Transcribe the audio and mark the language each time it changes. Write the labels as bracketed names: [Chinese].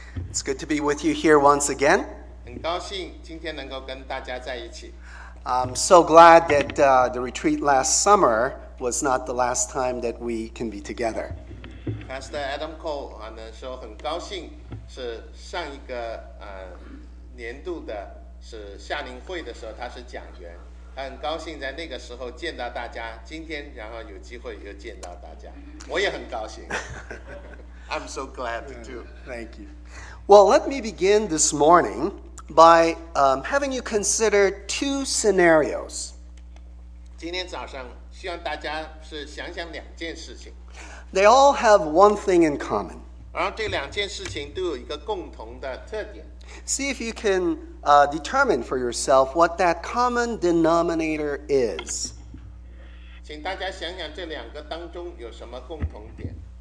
[English] It's good to be with you here once again. [Chinese] 很高兴今天能够跟大家在一起。 [English] I'm so glad that the retreat last summer was not the last time that we can be together. [Chinese] Pastor Adam Cole 呢说很高兴是上一个年度的是夏令会的时候他是讲员。他很高兴在那个时候见到大家，今天然后有机会又见到大家，我也很高兴。 [English] I'm so glad too. Thank you. Well, let me begin this morning by having you consider two scenarios. [Chinese] 今天早上希望大家是想想两件事情。 [English] They all have one thing in common. [Chinese] 然后这两件事情都有一个共同的特点。 [English] See if you can determine for yourself what that common denominator is. [Chinese] 请大家想想这两个当中有什么共同点。